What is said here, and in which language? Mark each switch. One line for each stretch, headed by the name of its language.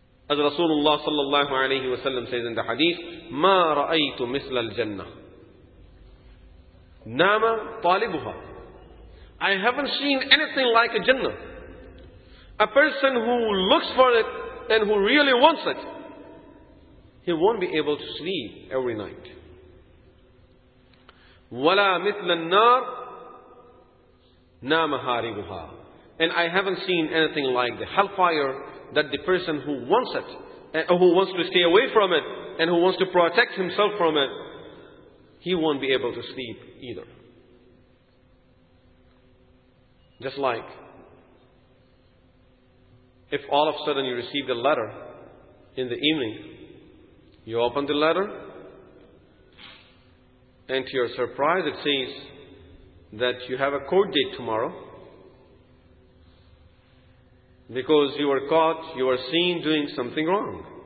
English: As Rasulullah sallallahu alayhi wa sallam says in the hadith,
Arabic: مَا رَأَيْتُ مِثْلَ الْجَنَّةِ نَامَ طَالِبُهَا.
English: I haven't seen anything like a Jannah. A person who looks for it and who really wants it, he won't be able to sleep every night.
Arabic: وَلَا مِثْلَ النَّارِ Namaharibuha.
English: And I haven't seen anything like the hellfire that the person who wants it, who wants to stay away from it, and who wants to protect himself from it, he won't be able to sleep either. Just like if all of a sudden you received a letter in the evening, you open the letter, and to your surprise it says that you have a court date tomorrow because you were caught, you were seen doing something wrong.